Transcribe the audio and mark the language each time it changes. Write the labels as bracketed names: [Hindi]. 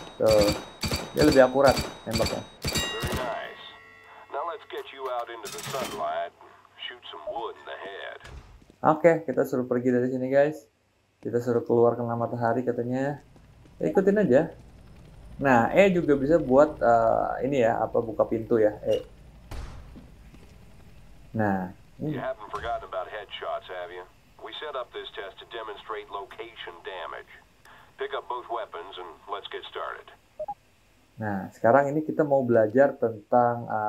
[Indonesian] Tuh, dia lebih akurat nembaknya. [English] Very nice. Now let's get you out into the sunlight. Shoot some wood in the head. [Indonesian] Oke, kita suruh pergi dari sini guys. Kita suruh keluar kena matahari katanya. Ya, ikutin aja. Nah, E juga bisa buat ini ya, apa buka pintu ya, E. Nah, [English] you haven't forgotten about headshots, have you? We set up this test to demonstrate location damage. Pick up both weapons and let's get started. [Indonesian] Nah, sekarang ini kita mau belajar tentang